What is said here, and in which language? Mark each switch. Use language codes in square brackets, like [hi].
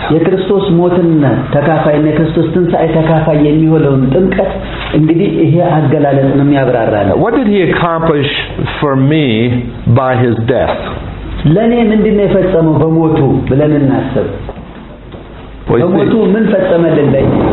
[am] የክርስቶስ ሞትና ተካፋይነት የክርስቶስ ትንሳኤ ተካፋይ የሚሆነውን ጥምቀት እንግዲህ ይሄ አገላለጽንም ያብራራል። [en] What did he accomplish for me by his death? [am] ለኔ ምንድነው የፈጸመው በሞቱ ብለን እናስብ። በሞቱ ምን ፈጸመልኝ?